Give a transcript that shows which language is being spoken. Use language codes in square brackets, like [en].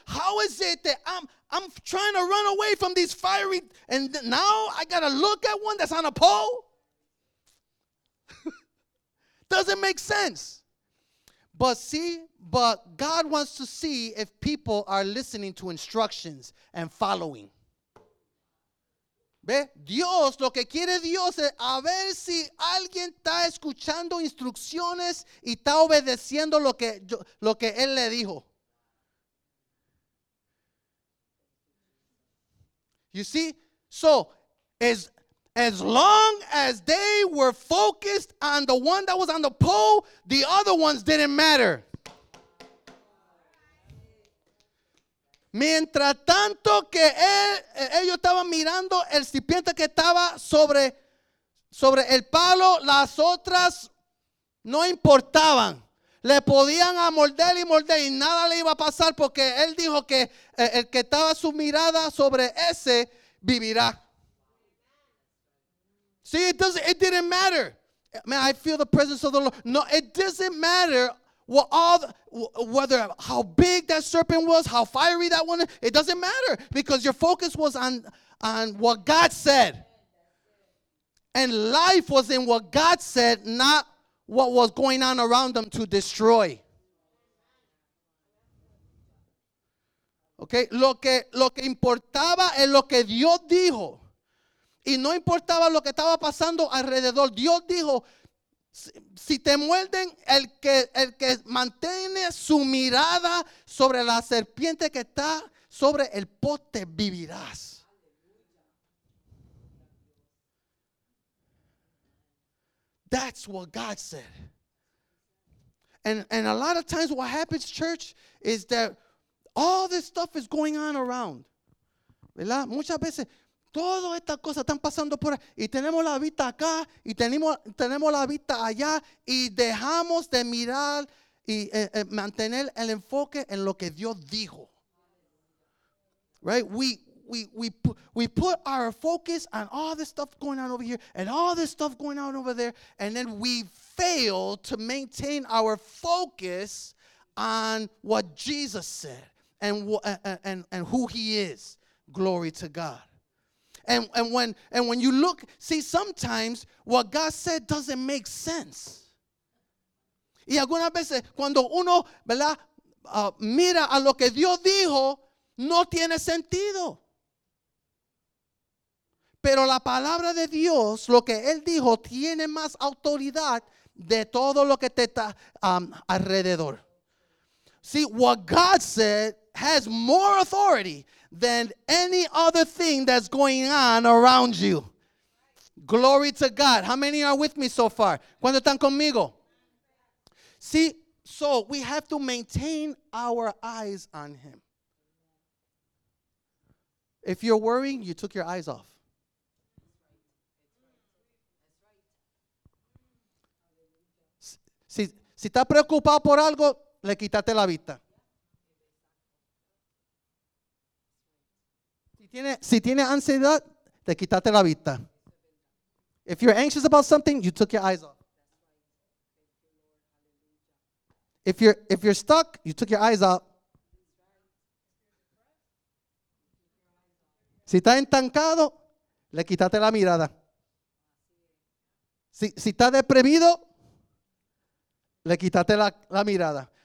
[en] How is it that I'm trying to run away from these fiery, and now I gotta look at one that's on a pole? Doesn't make sense. But see, but God wants to see if people are listening to instructions and following. [es] ¿Ve? Dios, lo que quiere Dios es a ver si alguien está escuchando instrucciones y está obedeciendo lo que Él le dijo. [en] You see? So, as long as they were focused on the one that was on the pole, the other ones didn't matter. [es] Mientras tanto que ellos estaban mirando el serpiente que estaba sobre el palo, las otras no importaban. Le podían a morder y nada le iba a pasar porque él dijo que el que estaba su mirada sobre ese vivirá. [en] See, it didn't matter. Man, I feel the presence of the Lord. No, it doesn't matter what whether how big that serpent was, how fiery that one is. It doesn't matter because your focus was on what God said. And life was in what God said, not what was going on around them to destroy. [es] Okay, lo que importaba es lo que Dios dijo. Y no importaba lo que estaba pasando alrededor. Dios dijo, si te muerden, el que mantiene su mirada sobre la serpiente que está sobre el poste, vivirás. [en] That's what God said. And a lot of times what happens, church, is that all this stuff is going on around. [es] ¿Verdad? Muchas veces, todas estas cosas están pasando por ahí. Y tenemos la vista acá, y tenemos la vista allá, y dejamos de mirar y mantener el enfoque en lo que Dios dijo. [en] Right? We put our focus on all this stuff going on over here and all this stuff going on over there, and then we fail to maintain our focus on what Jesus said and who He is. Glory to God. And when you look, see, sometimes what God said doesn't make sense. [es] Y algunas veces cuando uno, ¿verdad?, mira a lo que Dios dijo, no tiene sentido. Pero la palabra de Dios, lo que Él dijo, tiene más autoridad de todo lo que te está alrededor. [en] See, what God said has more authority than any other thing that's going on around you. Glory to God. How many are with me so far? [es] ¿Cuántos están conmigo? [en] See, so we have to maintain our eyes on Him. If you're worrying, you took your eyes off. [es] Si estás preocupado por algo, le quitaste la vista. Si tiene ansiedad, le quitaste la vista. [en] If you're anxious about something, you took your eyes off. If you're stuck, you took your eyes off. [es] Si estás estancado, le quitaste la mirada. Si estás deprimido, le quitaste la mirada.